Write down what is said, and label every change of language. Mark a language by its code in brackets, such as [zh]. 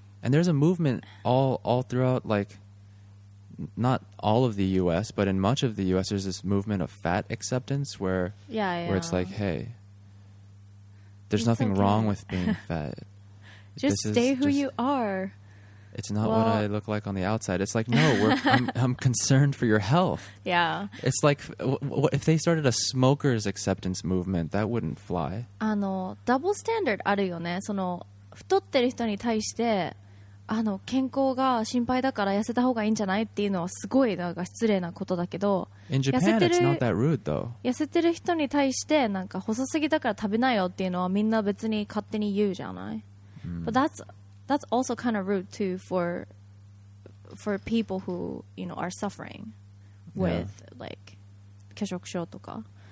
[en] And there's a movement all throughout, like, not all of the U.S., but in much of the U.S., there's this movement of fat acceptance where it's like, hey, there's nothing wrong with being fat. just stay who you are. It's not what I look like on the outside. It's like, no, I'm concerned for your health. Yeah. It's like, if they started a smoker's acceptance movement, that wouldn't fly. [ja] Double standard あるよね. その、太ってる人に対して、健康が心配だから痩せた方がいいんじゃないっていうのはすごい失礼なことだけど。 [en] In Japan, it's not that rude, though. [ja] 痩せてる人に対して、なんか細すぎだから食べないよっていうのはみんな別に勝手に言うじゃない? [en] But that's also kind of rude too for people who, you know, are suffering with like [ja] 化粧症とか.